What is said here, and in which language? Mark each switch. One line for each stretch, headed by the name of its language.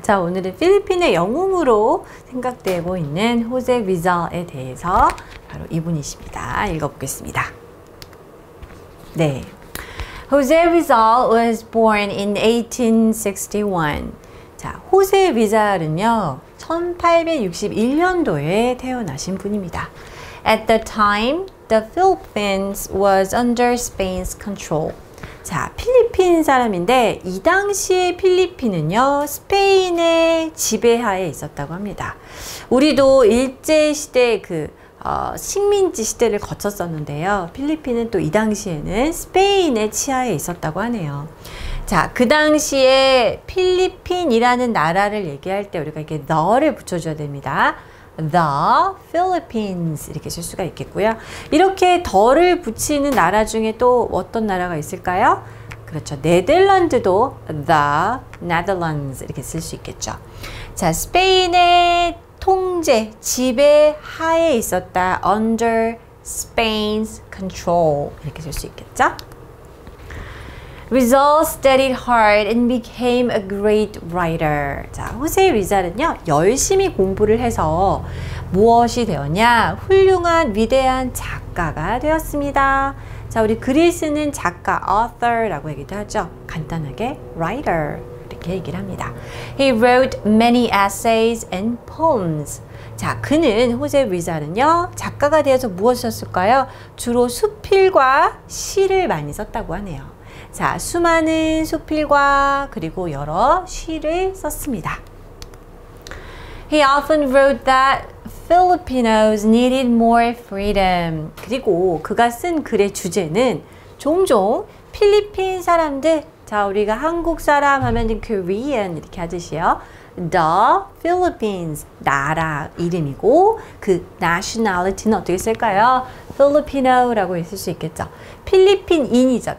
Korean: 자, 오늘은 필리핀의 영웅으로 생각되고 있는 호세 리잘에 대해서 바로 이분이십니다. 읽어보겠습니다. 네,
English: Jose Rizal was born in 1861.
Korean: 자, 호세 리잘은요 1861년도에 태어나신 분입니다.
English: At the time, the Philippines was under Spain's control.
Korean: 자, 필리핀 사람인데 이 당시에 필리핀은요 스페인의 지배하에 있었다고 합니다. 우리도 일제시대의 그 식민지 시대를 거쳤었는데요, 필리핀은 또 이 당시에는 스페인의 치하에 있었다고 하네요. 자, 그 당시에 필리핀이라는 나라를 얘기할 때 우리가 이렇게 the를 붙여줘야 됩니다.
English: The Philippines
Korean: 이렇게 쓸 수가 있겠고요. 이렇게 더를 붙이는 나라 중에 또 어떤 나라가 있을까요? 그렇죠. 네덜란드도
English: The Netherlands
Korean: 이렇게 쓸 수 있겠죠. 자, 스페인의 통제, 지배 하에 있었다.
English: Under Spain's control
Korean: 이렇게 쓸 수 있겠죠.
English: Rizal studied hard and became a great writer.
Korean: 자, 호세 리잘은요 열심히 공부를 해서 무엇이 되었냐? 훌륭한 위대한 작가가 되었습니다. 자, 우리 글을 쓰는 작가 author라고 얘기도 하죠. 간단하게 writer 이렇게 얘기를 합니다.
English: He wrote many essays and poems.
Korean: 자, 그는 호세 리잘은요 작가가 되어서 무엇이었을까요? 주로 수필과 시를 많이 썼다고 하네요. 자, 수많은 수필과 그리고 여러 시를 썼습니다.
English: He often wrote that Filipinos needed more freedom.
Korean: 그리고 그가 쓴 글의 주제는 종종 필리핀 사람들, 자, 우리가 한국 사람 하면 Korean 이렇게 하듯이요. The Philippines, 나라 이름이고 그 nationality는 어떻게 쓸까요? Filipino라고 했을 수 있겠죠. 필리핀인이죠.